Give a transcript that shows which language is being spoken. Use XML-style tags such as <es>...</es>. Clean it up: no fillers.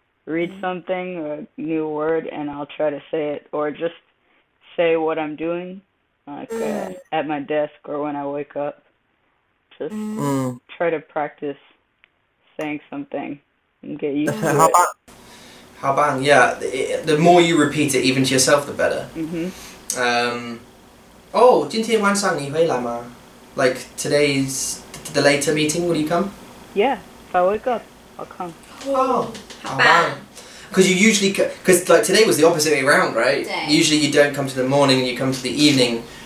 <en>read something, a new word, and I'll try to say it, or just say what I'm doing, like at my desk or when I wake up. Just try to practice saying something and get used to how it. How about? Yeah, the more you repeat it, even to yourself, the better.</en> <zh>Oh, 今天晚上你回来吗?</zh> <en>Like today's the later meeting, will you come? Yeah, if I wake up, I'll come. Oh, how bad. Because you usually, because like today was the opposite way around, right? Day. Usually you don't come to the morning and you come to the evening.</en>